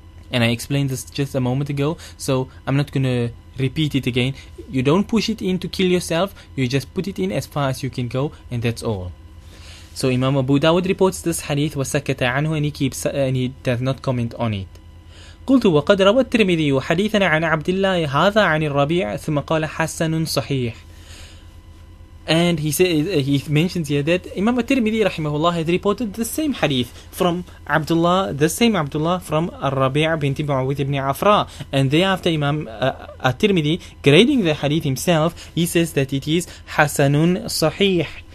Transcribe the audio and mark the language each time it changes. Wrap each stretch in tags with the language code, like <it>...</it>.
<en>And I explained this just a moment ago, so I'm not going to repeat it again. You don't push it in to kill yourself, you just put it in as far as you can go, and that's all. So Imam Abu Dawud reports this hadith</en> <ar>wasakata anhu,</ar> <en>and he does not comment on it.</en> <ar>قلت وقد روى الترمذي حديثنا عن عبد الله هذا عن الربيع ثم قال حسن صحيح.</ar> <en>And he mentions here that Imam al-Tirmidhi rahimahullah has reported the same hadith from Abdullah, the same Abdullah from al-Rabi' binti Mu'awith ibn Afra. And thereafter Imam al-Tirmidhi, grading the hadith himself, he says that it is Hasanun Sahih.</en>